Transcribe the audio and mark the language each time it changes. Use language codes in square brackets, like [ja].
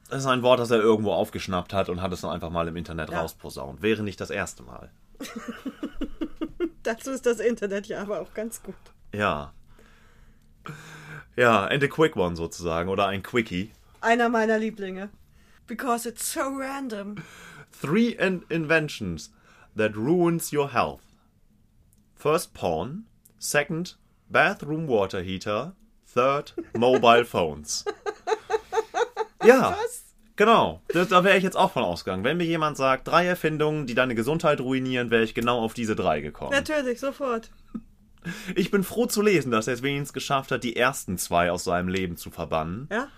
[de] Das ist ein Wort, das er irgendwo aufgeschnappt hat und hat es dann einfach mal im Internet rausposaunt. Wäre nicht das erste Mal. Dazu ist das Internet ja aber auch ganz gut. Ja. Ja, [en] and a quick one [de] sozusagen, oder ein Quickie. Einer meiner Lieblinge. [en] Because it's so random. 3 inventions that ruins your health. First, porn. Second, bathroom water heater. Third, mobile phones. Ja, [de] was? Genau. Da wäre ich jetzt auch von ausgegangen. Wenn mir jemand sagt, 3 Erfindungen, die deine Gesundheit ruinieren, wäre ich genau auf diese 3 gekommen. Natürlich, sofort. Ich bin froh zu lesen, dass er es wenigstens geschafft hat, die ersten 2 aus seinem Leben zu verbannen.